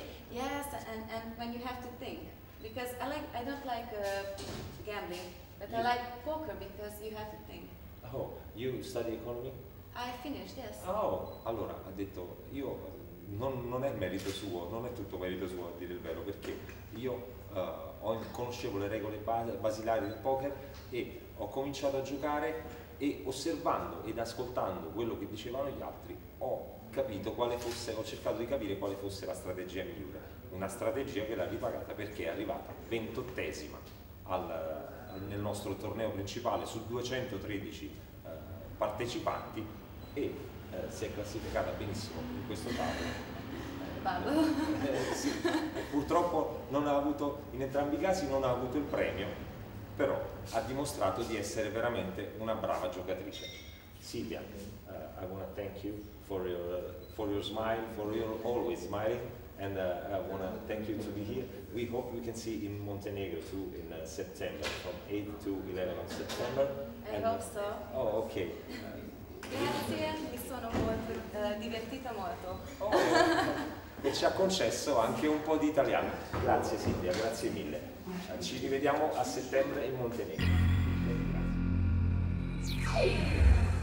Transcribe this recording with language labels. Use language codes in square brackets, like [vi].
[en] Yes, and when you have to think. Because I don't like gambling, but yeah. I like poker because you have to think. Oh, you study economy? I finished, yes. [it] Oh, allora, ha detto, io non è merito suo, non è tutto merito suo a dire il vero, perché io conoscevo le regole basilari del poker e ho cominciato a giocare e osservando ed ascoltando quello che dicevano gli altri ho cercato di capire quale fosse la strategia migliore, una strategia che l'ha ripagata perché è arrivata 28esima nel nostro torneo principale su 213 partecipanti e si è classificata benissimo in questo tavolo. Sì. Purtroppo non ha avuto, in entrambi i casi non ha avuto il premio, però ha dimostrato di essere veramente una brava giocatrice. [en] Silvia, I want to thank you for your smile, for your always smiling, and I want to thank you to be here. We hope we can see in Montenegro too in September, from 8 to 11 of September. I hope so. Oh, okay. [it] Grazie, mi sono molto divertita molto. Oh, e ci ha concesso anche un po' di italiano. Grazie Silvia, grazie mille. Ci rivediamo a settembre in Montenegro. Grazie.